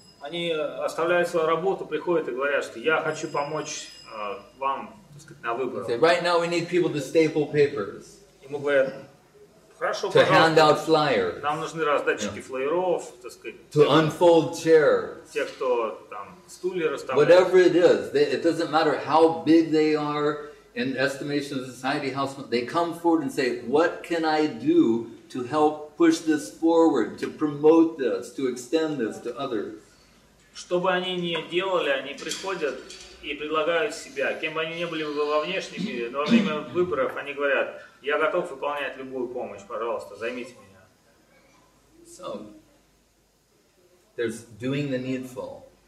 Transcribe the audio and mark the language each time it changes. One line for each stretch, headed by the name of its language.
Russian: Они оставляют свою работу, приходят и говорят, что я хочу помочь вам, так сказать, на выборах.
English: Say, right now we need people to staple papers.
Russian: Ему говорят, хорошо,
English: to hand out flyers.
Russian: Нам нужны раздатчики флаеров, так сказать.
English: To unfold chairs.
Russian: Те, кто там стулья расставляют.
English: Whatever it is, it doesn't matter how big they are, in estimation of society, they come forward and say, what can I do to help push this forward, to promote this, to extend this to others?
Russian: Что бы они ни делали, они приходят и предлагают себя. Кем бы они ни были во внешнем мире, но во время выборов они говорят, я готов выполнять любую помощь, пожалуйста, займите меня.
English: So, there's doing the needful.